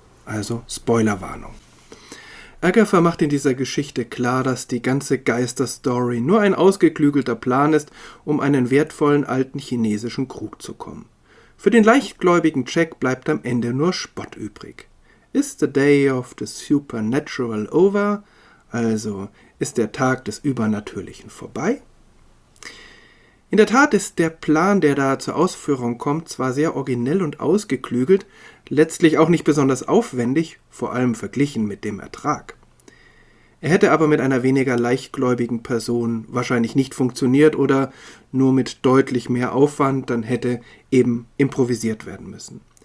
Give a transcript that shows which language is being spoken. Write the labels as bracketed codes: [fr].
[de] Also Spoilerwarnung. Agatha macht in dieser Geschichte klar, dass die ganze Geisterstory nur ein ausgeklügelter Plan ist, um einen wertvollen alten chinesischen Krug zu kommen. Für den leichtgläubigen Jack bleibt am Ende nur Spott übrig. [en] Is the day of the supernatural over? [de] Also ist der Tag des Übernatürlichen vorbei? In der Tat ist der Plan, der da zur Ausführung kommt, zwar sehr originell und ausgeklügelt, letztlich auch nicht besonders aufwendig, vor allem verglichen mit dem Ertrag. Er hätte aber mit einer weniger leichtgläubigen Person wahrscheinlich nicht funktioniert oder nur mit deutlich mehr Aufwand, dann hätte eben improvisiert werden müssen.